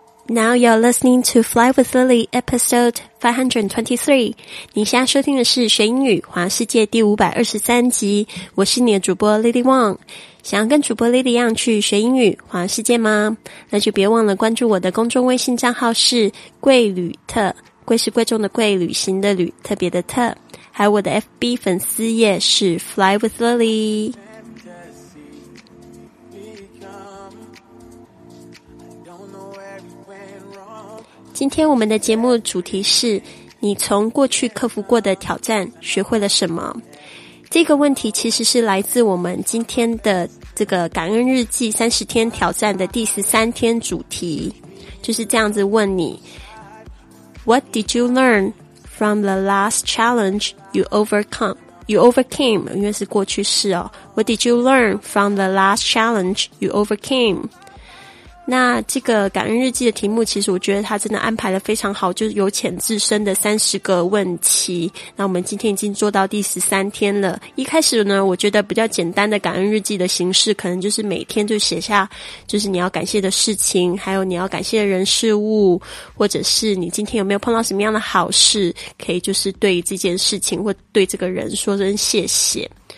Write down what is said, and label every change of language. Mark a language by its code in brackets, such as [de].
[en] Now you're listening to Fly with Lily, episode 523. [zh] 你现在收听的是学英语环游世界第523集。我是你的主播 Lily Wong。想要跟主播 Lily 一样去学英语环游世界吗？那就别忘了关注我的公众微信账号是贵旅特。贵是贵重的贵，旅行的旅，特别的特。还有我的 FB 粉丝页是 Fly with Lily。今天我们的节目主题是你从过去克服过的挑战学会了什么。这个问题其实是来自我们今天的这个感恩日记30天挑战的第13天主题，就是这样子问你 [en] What did you learn from the last challenge you overcame? [zh] 因为是过去式哦。 [en] What did you learn from the last challenge you overcame? [zh] 那这个感恩日记的题目，其实我觉得它真的安排了非常好，就是由浅至深的30个问题。那我们今天已经做到第13天了。一开始呢，我觉得比较简单的感恩日记的形式，可能就是每天就写下就是你要感谢的事情，还有你要感谢的人事物，或者是你今天有没有碰到什么样的好事，可以就是对这件事情或对这个人说声谢谢。